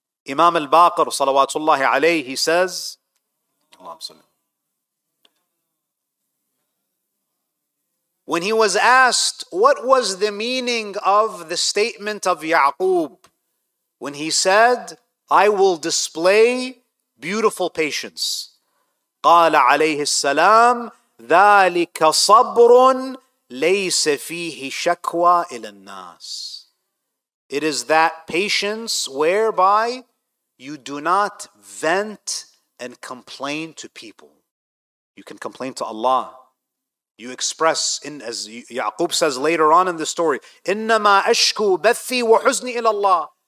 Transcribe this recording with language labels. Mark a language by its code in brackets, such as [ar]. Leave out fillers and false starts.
[en] Imam al-Baqir, salawatullahi alayhi, he says, Allahumma salli. When he was asked, what was the meaning of the statement of Ya'qub? When he said, I will display beautiful patience. [ar] قال عليه السلام, ذلك صبر ليس فيه شكوى إلى الناس. [en] It is that patience whereby you do not vent and complain to people. You can complain to Allah. You express, in as Ya'qub says later on in the story, إِنَّمَا أَشْكُوا بَثِّي وَحُزْنِي إِلَى اللَّهِ.